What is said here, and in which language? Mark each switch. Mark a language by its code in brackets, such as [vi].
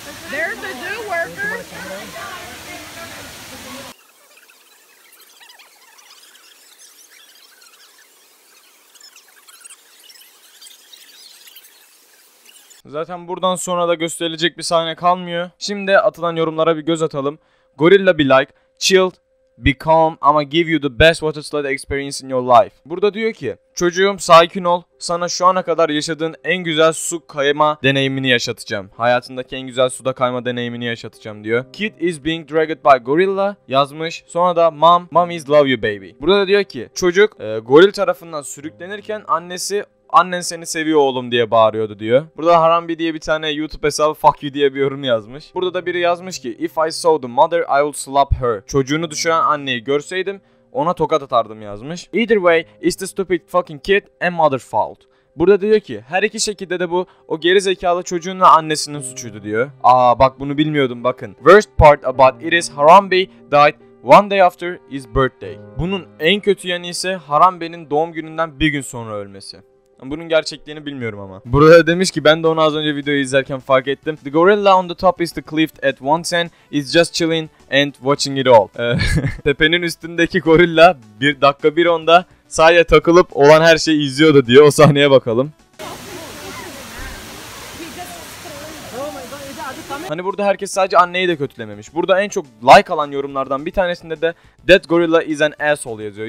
[en] There's the zoo worker. [tr] Zaten buradan sonra da gösterilecek bir sahne kalmıyor. Şimdi atılan yorumlara bir göz atalım. [en] Gorilla be like, chilled, be calm, ama give you the best water slide experience in your life. [tr] Burada diyor ki, çocuğum sakin ol, sana şu ana kadar yaşadığın en güzel su kayma deneyimini yaşatacağım. Hayatındaki en güzel suda kayma deneyimini yaşatacağım diyor. [en] Kid is being dragged by gorilla [tr] yazmış. Sonra da [en] mom is love you baby. [tr] Burada da diyor ki, çocuk goril tarafından sürüklenirken annesi, annen seni seviyor oğlum diye bağırıyordu diyor. Burada Harambe diye bir tane YouTube hesabı [en] fuck you [tr] diye bir yorum yazmış. Burada da biri yazmış ki, [en] if I saw the mother I would slap her. [tr] Çocuğunu düşüren anneyi görseydim ona tokat atardım yazmış. [en] Either way it's the stupid fucking kid and mother fault. [tr] Burada diyor ki, her iki şekilde de bu o gerizekalı çocuğun ve annesinin suçuydu diyor. Aa bak, bunu bilmiyordum bakın. [en] Worst part about it is Harambe died one day after his birthday. [tr] Bunun en kötü yanı ise Harambe'nin doğum gününden bir gün sonra ölmesi. Bunun gerçekliğini bilmiyorum ama. Burada demiş ki, ben de onu az önce videoyu izlerken fark ettim. [en] The gorilla on the top is the cliff at 110 is just chilling and watching it all. [tr] Tepenin üstündeki gorilla 1 dakika 1.10'da sahaya takılıp olan her şeyi izliyordu diyor. O sahneye bakalım. Hani burada herkes sadece anneyi de kötülememiş. Burada en çok like alan yorumlardan bir tanesinde de [en] that gorilla is an asshole [tr] yazıyor.